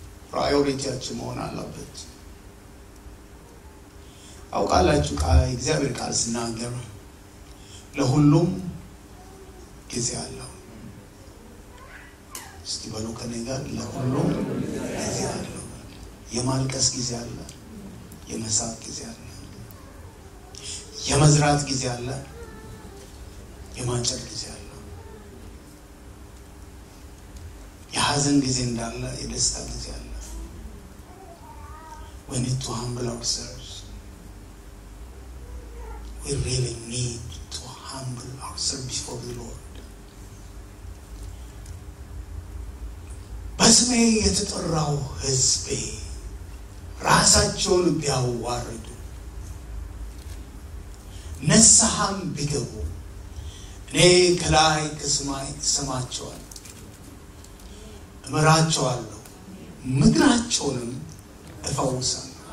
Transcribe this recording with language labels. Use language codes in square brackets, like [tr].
[am] ፕራዮሪቲያችን መሆን አለበት። አውቃላችሁ እግዚአብሔር ቃል ስናገር ለሁሉም ጊዜ አለው። እስቲ በሉ ከኔ ጋር ለሁሉም ጊዜ አለው። የማልቀስ ጊዜ አለ፣ የመሳቅ ጊዜ አለ፣ የመዝራት ጊዜ አለ፣ የማጨድ ጊዜ አለ፣ የሐዘን ጊዜ እንዳለ የደስታ ጊዜ አለ። [en] We need to humble ourselves. We really need to humble ourselves before the Lord. [am] በስሜ የተጠራው ሕዝቤ ራሳቸውን ቢያዋርዱ ንስሐም ቢገቡ እኔ ከላይ ከሰማይ እሰማቸዋለሁ፣ እምራቸዋለሁ፣ ምድራቸውንም እፈውሳለሁ።